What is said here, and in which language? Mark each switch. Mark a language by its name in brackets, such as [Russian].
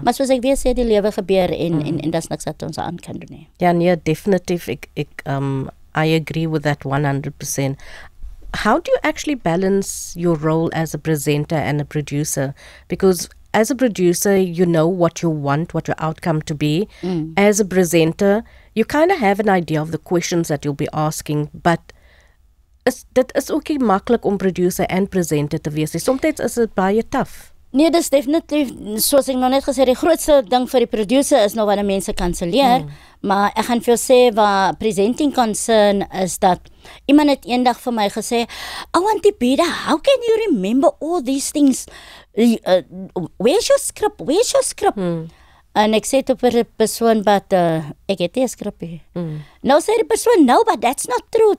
[Afrikaans] Maar soos ek weet, sê die lewe gebeur en dat is niks wat ons aan kan doen. Ja, nee, definitief. [English] I agree with that 100%. How do you actually balance your role as a presenter and a producer? Because as a producer, you know what you want, what your outcome to be. As a presenter, you kind of have an idea of the questions that you'll be asking, but [Afrikaans] dit is ook nie maklik om producer and presenter te wees. [English] Sometimes is it baie tough. [Afrikaans] Nee, dis definitief, soos ek nou net gesê, die grootste ding vir die producer is nou wanneer mense kanselleer, maar ek gaan vir jou sê, wat presenting concern is dat, iemand het eendag vir my gesê, Auntie Bida, [English] how can you remember all these things? Where's your script? [Afrikaans] En ek sê toe vir die persoon, but ek het die skrippie. Mm. Nou sê die persoon, [English] no, but that's not true.